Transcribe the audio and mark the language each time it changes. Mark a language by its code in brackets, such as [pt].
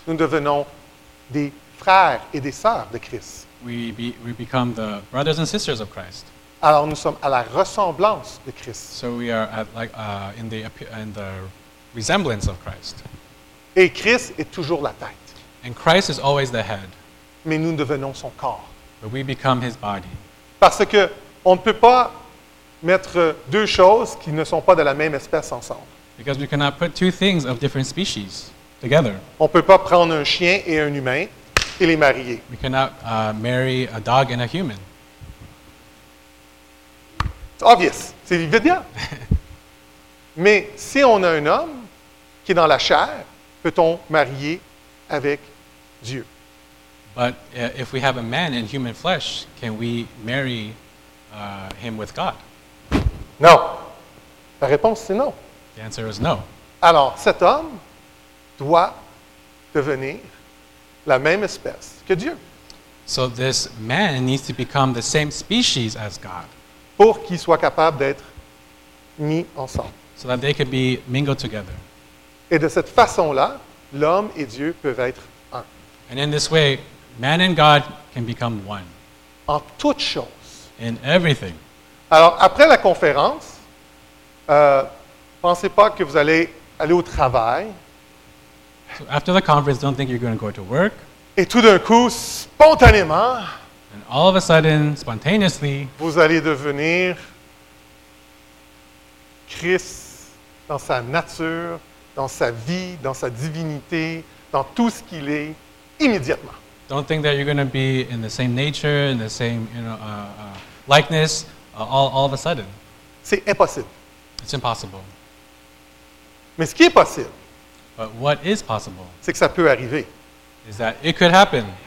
[fr] Nous devenons des frères et des sœurs de Christ. [en] We become the brothers and sisters of Christ. [fr] Alors nous sommes à la ressemblance de Christ. [en] So we are at like in the resemblance of Christ. [fr] Et Christ est toujours la tête. [en] And Christ is always the head. [fr] Mais nous devenons son corps. [en] But we become his body. [fr] Parce que on ne peut pas mettre deux choses qui ne sont pas de la même espèce ensemble. [en] Because we cannot put two things of different species together. [fr] On ne peut pas prendre un chien et un humain et les marier. [en] We cannot marry a dog and a human. [fr] C'est [en] obvious, [fr] c'est évident. Mais si on a un homme qui est dans la chair, peut-on marier avec Dieu? [en] But if we have a man in human flesh, can we marry him with God? [fr] Non. La réponse, c'est non. [en] The answer is no. [fr] Alors, cet homme doit devenir la même espèce que Dieu. [en] So this man needs to become the same species as God. [fr] Pour qu'ils soient capables d'être mis ensemble. [en] So that they could be mingled together. [fr] Et de cette façon-là, l'homme et Dieu peuvent être un. [en] And in this way, man and God can become one. [fr] En toutes choses. [en] In everything. [fr] Alors, après la conférence, pensez pas que vous allez aller au travail. [en] So after the conference, don't think you're going to go to work. [fr] Et tout d'un coup, spontanément, [en] and all of a sudden, spontaneously, [fr] vous allez devenir Christ dans sa nature, dans sa vie, dans sa divinité, dans tout ce qu'il est, immédiatement. [en] Don't think that you're going to be in the same nature, in the same likeness, all of a sudden. [fr] C'est impossible. [en] It's impossible. [fr] Mais ce qui est possible, [en] But what is possible? [fr] C'est que ça peut arriver. [en] Is that it could happen.